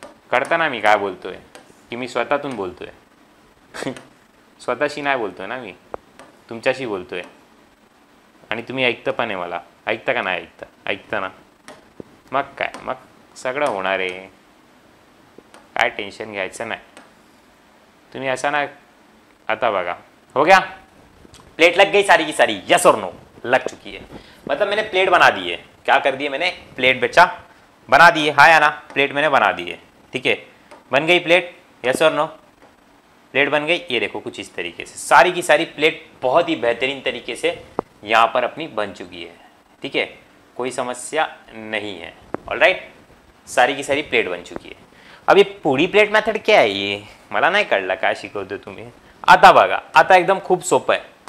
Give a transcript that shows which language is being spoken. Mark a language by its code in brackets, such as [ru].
[mr] करताना मी काय बोलतोय की मी स्वतःतून बोलतोय स्वतःशी नाही बोलतोय ना, मी तुमच्याशी बोलतोय, आणि तुम्ही ऐकता पण आहे मला, ऐकता का नाही ऐकता? ऐकता ना, मग काय, मग सगळं होणार आहे, काय टेन्शन घ्यायचं नाही। तुम्ही असा ना, आता बघा, [hi] हो गया, प्लेट लग गई सारी की सारी, यस और नो? लग चुकी है, मतलब मैंने प्लेट बना दिए। क्या कर दिए मैंने? प्लेट बेचा बना दिए, हाँ या ना? प्लेट मैंने बना दिए, ठीक है, बन गई प्लेट, यस और नो? प्लेट बन गई, ये देखो कुछ इस तरीके से सारी की सारी प्लेट बहुत ही बेहतरीन तरीके से यहाँ पर अपनी बन चुकी है, ठीक है, कोई समस्या नहीं है। ऑलराइट, सारी की सारी प्लेट बन चुकी है। अब ये पूरी प्लेट मेथड क्या है ये? [mr] मला नाही कळलं, काय शिकवतो तुम्ही? आता बघा, आता एकदम खूप सोपं आहे।